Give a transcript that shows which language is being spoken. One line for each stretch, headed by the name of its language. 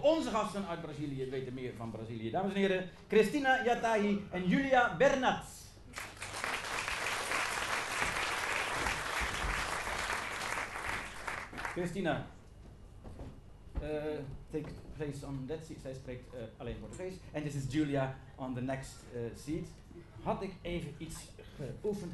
Dutch: Onze gasten uit Brazilië weten meer van Brazilië. Dames en heren, Christina Yatahi en Julia Bernat.
English: Christina, take place on that seat.
Dutch: Zij spreekt alleen Portugees.
English: En this is Julia on the next seat.
Dutch: Had ik even iets geoefend?